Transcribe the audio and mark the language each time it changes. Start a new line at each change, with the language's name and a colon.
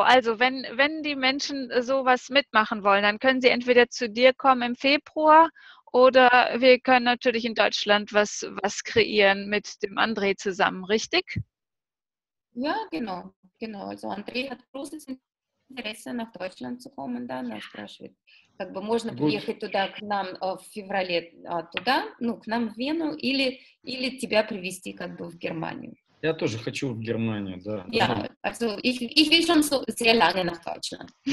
German: Also wenn die Menschen sowas mitmachen wollen, dann können sie entweder zu dir kommen im Februar oder wir können natürlich in Deutschland was kreieren mit dem André zusammen, richtig? Ja, genau. Genau. Also André hat großes Interesse, nach Deutschland zu kommen dann, nach Braunschweig.
Russian: Как бы можно приехать туда к нам в феврале туда, ну, к нам в Вену или тебя привезти как бы в Германию. Я тоже хочу в Германию, да.
German: Ja, also ich will schon so sehr lange nach Deutschland.